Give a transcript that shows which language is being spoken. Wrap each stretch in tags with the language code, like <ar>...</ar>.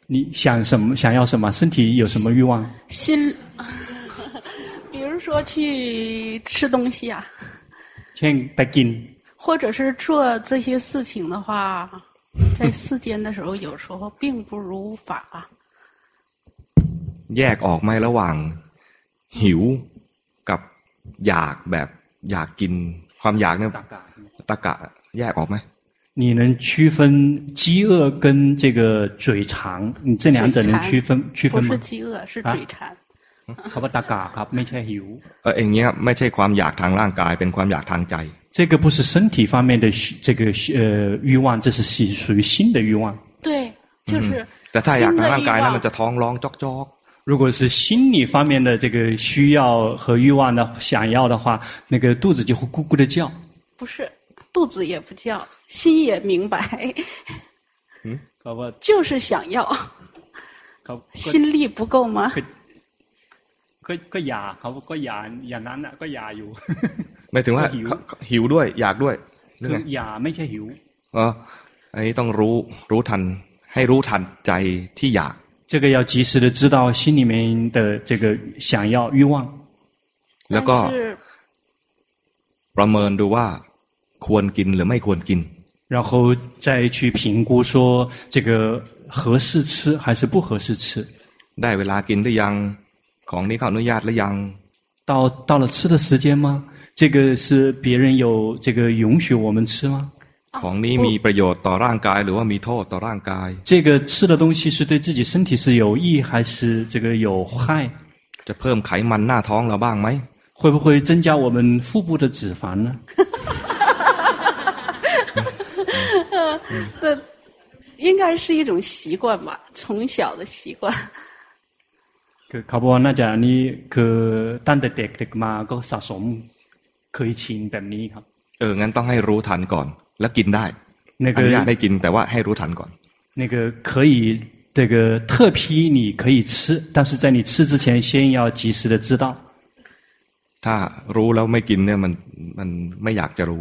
<zh>你想什么想要什么身体有什么欲望心比如说去吃东西啊先白金或者是做这些事情的话在世间的时候有时候并不如法</zh> <th>แยกออกไหมระหว่างหิวกับอยากแบบอยากกินความอยากเนี่ยตะกะแยกออกไหม</th> <zh>你能区分饥饿跟这个嘴馋，你这两者能区分吗？不是饥饿，是嘴馋。</zh> <th>เขาบอกตะกะครับไม่ใช่หิว เองเนี้ยไม่ใช่ความอยากทางร่างกายเป็นความอยากทางใจ</th> <zh>这个不是身体方面的这个欲望，这是属于心的欲望。对，就是。</zh> <th>แต่ถ้าอยากทางร่างกายแล้วมันจะท้องร้องจอกจอก</th> <zh>如果是心理方面的这个需要和欲望的想要的话，那个肚子就会咕咕的叫。不是。肚子也不叫心也明白就是想要心力不够吗</zh> <th>ก็อยากเขาก็อยากอย่างนั้นอ่ะก็อยากอยู่ หมายถึงว่าหิวด้วยอยากด้วย คืออย่าไม่ใช่หิว อันนี้ต้องรู้ทันให้รู้ทันใจที่อยาก</th> <zh>这个要及时的知道心里面的这个想要欲望</zh> <th>แล้วก็ประเมินดูว่าควรกินหรือไม่ควรกิน</th> <zh>然后再去评估说这个合适吃还是不合适吃</zh> <th>ได้เวลากินหรือยังของนี้เขาอนุญาตหรือยัง</th> <zh>到了吃的时间吗这个是别人有这个允许我们吃吗</zh> <th>ของนี้มีประโยชน์ต่อร่างกายหรือว่ามีโทษต่อร่างกาย</th> <zh>这个吃的东西是对自己身体是有益还是这个有害</zh> <th>จะเพิ่มไขมันหน้าท้องเราบ้างไหม</th> <zh>会不会增加我们腹部的脂肪呢这应该是一种习惯吧从小的习惯</zh> <th>คือเขาบอกว่าน่าจะนี่คือตั้งแต่เด็กๆมาก็สะสมเคยชินแบบนี้ครับ เอองั้นต้องให้รู้ทันก่อนแล้วกินได้นั่นก็อยากให้กินแต่ว่าให้รู้ทันก่อน นั่นก็</th> <zh>可以这个特批你可以吃但是在你吃之前先要及时的知道</zh> <th>ถ้ารู้แล้วไม่กินเนี่ยมันไม่อยากจะรู</th>